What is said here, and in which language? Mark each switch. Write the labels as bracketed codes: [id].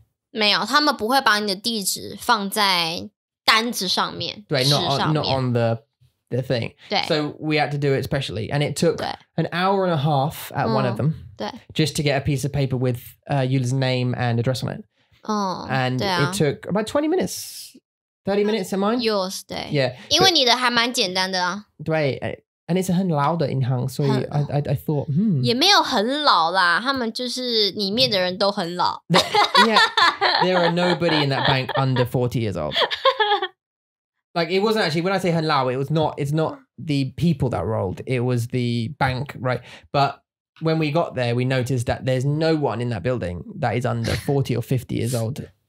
[zh] 没有他们不会把你的地址放在单子上面对上面 [en] not on theThe thing. So we had to do it specially. And it took an hour and a half at one of them just to get a piece of paper with Eula's name and address on it. And it took about 20 minutes, 30 minutes of mine. Yours, 对 Yeah. [zh] 因为你的还蛮简单的啊。 [en] 对 And it's a [zh] 很老的银行, [en] so I thought, hmm. [zh] 也没有很老啦,他们就是里面的人都很老。 [en] Yeah. There are nobody in that bank under 40 years old. Like, it wasn't actually, when I say [zh] 很老, [en] it was not, it's not the people that rolled. It was the bank, right? But when we got there, we noticed that there's no one in that building that is under 40 or 50 years old.